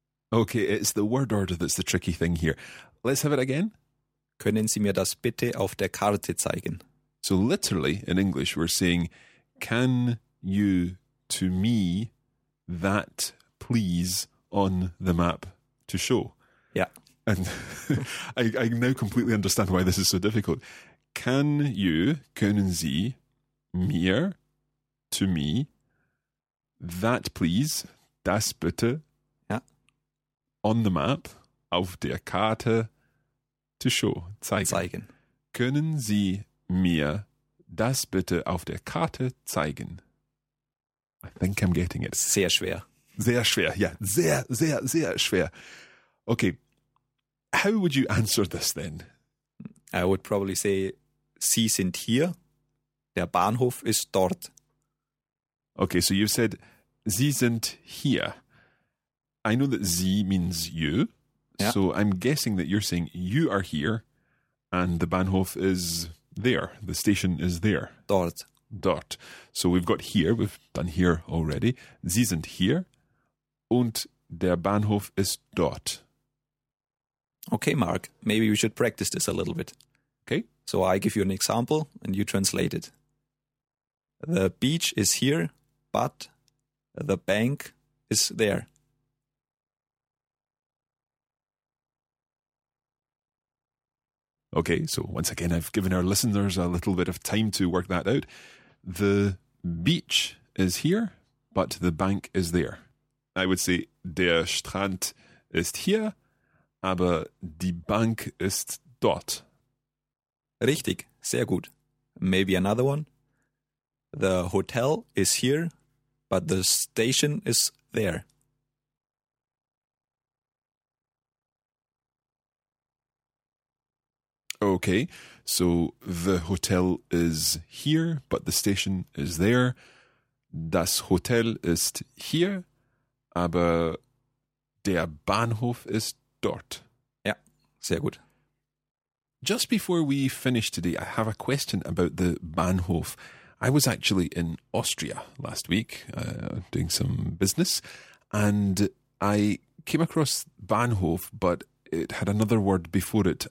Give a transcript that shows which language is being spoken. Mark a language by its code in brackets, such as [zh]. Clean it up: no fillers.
[en] Okay, it's the word order that's the tricky thing here. Let's have it again. [de] Können Sie mir das bitte auf der Karte zeigen? [en] So literally, in English, we're saying, can you to me that please on the map to show? Yeah. And I now completely understand why this is so difficult. Can you, [de] können Sie, mir, [en] to me, that please, [de] das bitte, [en] yeah, on the map, [de] auf der Karte, [en] to show, [de] zeigen. Zeigen. Können Sie mir das bitte auf der Karte zeigen? [en] I think I'm getting it. [de] Sehr schwer. Sehr schwer, yeah. Sehr, sehr, sehr schwer. Okay. [en] How would you answer this then? I would probably say, [de] Sie sind hier, der Bahnhof ist dort. [en] Okay, so you said, [de] Sie sind hier. [en] I know that Sie means you, yeah. So I'm guessing that you're saying you are here and the Bahnhof is there, the station is there. [de] Dort. Dort. [en] So we've got here, we've done here already. [de] Sie sind hier und der Bahnhof ist dort. [en] Okay, Mark, maybe we should practice this a little bit. Okay. So I give you an example and you translate it. The beach is here, but the bank is there. Okay, so once again, I've given our listeners a little bit of time to work that out. The beach is here, but the bank is there. I would say, [de] der Strand ist hier, aber die Bank ist dort. Richtig, sehr gut. [en] Maybe another one. The hotel is here, but the station is there. Okay, so the hotel is here, but the station is there. [de] Das Hotel ist hier, aber der Bahnhof ist dort. Ja, sehr gut. [en] Just before we finish today, I have a question about the Bahnhof. I was actually in Austria last week doing some business, and I came across Bahnhof, but it had another word before it.